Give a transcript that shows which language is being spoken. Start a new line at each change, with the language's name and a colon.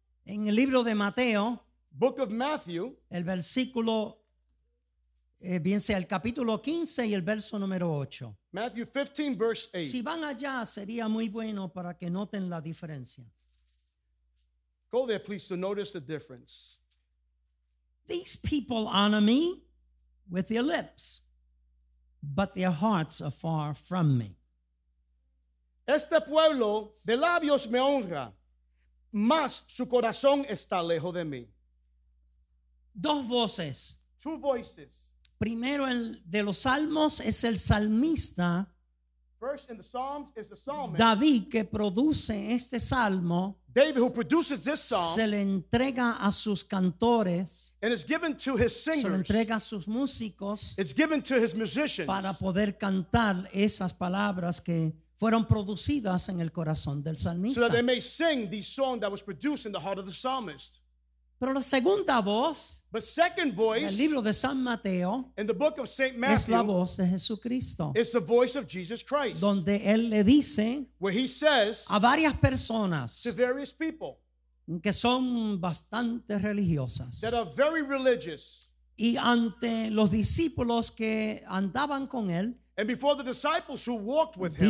Spanish: En el libro de Mateo.
English: Book of Matthew.
Spanish: El versículo. Bien sea el capítulo 15 y el verso número 8.
English: Matthew 15, verse 8.
Spanish: Si van allá, sería muy bueno para que noten la diferencia.
English: Go there, please, to notice the difference. These people honor me with their lips, but their hearts are far from me.
Spanish: Este pueblo de labios me honra, mas su corazón está lejos de mí. Dos voces.
English: Two voices.
Spanish: Primero el de los salmos es el salmista
English: First in the Psalms is the psalmist.
Spanish: David que produce este salmo
English: David who produces this psalm
Spanish: se le entrega a sus cantores
English: and it's given to his singers
Spanish: se le entrega a sus músicos
English: it's given to his musicians
Spanish: para poder cantar esas palabras que fueron producidas en el corazón del salmista
English: so that they may sing the song that was produced in the heart of the psalmist.
Spanish: Pero la segunda voz
English: But second voice,
Spanish: en el libro de San Mateo
English: in the book of Saint Matthew,
Spanish: es la voz de Jesucristo.
English: It's the voice of Jesus Christ.
Spanish: Donde él le dice
English: where he says,
Spanish: a varias personas
English: to various people,
Spanish: que son bastante religiosas.
English: That are very religious.
Spanish: Y ante los discípulos que andaban con él
English: And before the disciples who walked with him,